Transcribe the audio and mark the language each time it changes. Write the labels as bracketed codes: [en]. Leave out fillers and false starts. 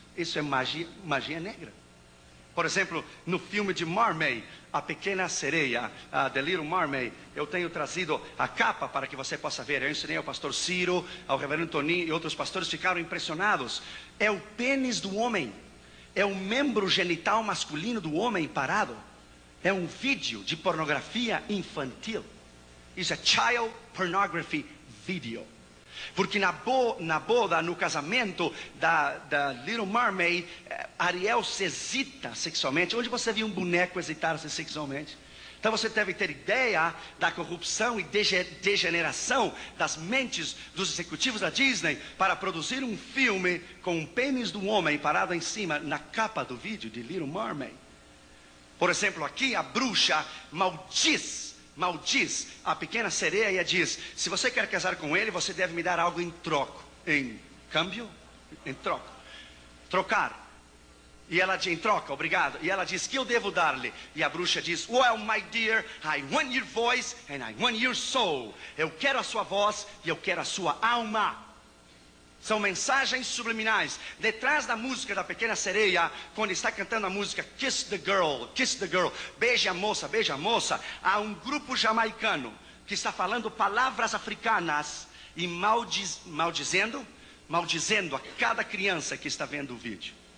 [pt] Isso é magia, magia negra. Por exemplo, no filme de Mermaid, a pequena sereia, a The Little Mermaid, eu tenho trazido a capa para que você possa ver. Eu ensinei ao pastor Ciro, ao reverendo Tony e outros pastores, ficaram impressionados. É o pênis do homem, é o membro genital masculino do homem parado. É um vídeo de pornografia infantil. [en] It's a child pornography video. [pt] Porque na boda, no casamento da Little Mermaid, Ariel se hesita sexualmente. Onde você viu um boneco hesitar-se sexualmente? Então você deve ter ideia da corrupção e degeneração das mentes dos executivos da Disney para produzir um filme com o pênis do homem parado em cima na capa do vídeo de Little Mermaid. Por exemplo, aqui a bruxa maldiz a pequena sereia e diz: se você quer casar com ele, você deve me dar algo em troco. Em câmbio? Em troco. Trocar. E ela diz: em troca, obrigado. E ela diz: que eu devo dar-lhe? E a bruxa diz: [en] well, my dear, I want your voice and I want your soul. [pt] Eu quero a sua voz e eu quero a sua alma. São mensagens subliminais. Detrás da música da pequena sereia, quando está cantando a música kiss the girl, beija a moça, há um grupo jamaicano que está falando palavras africanas e maldizendo a cada criança que está vendo o vídeo.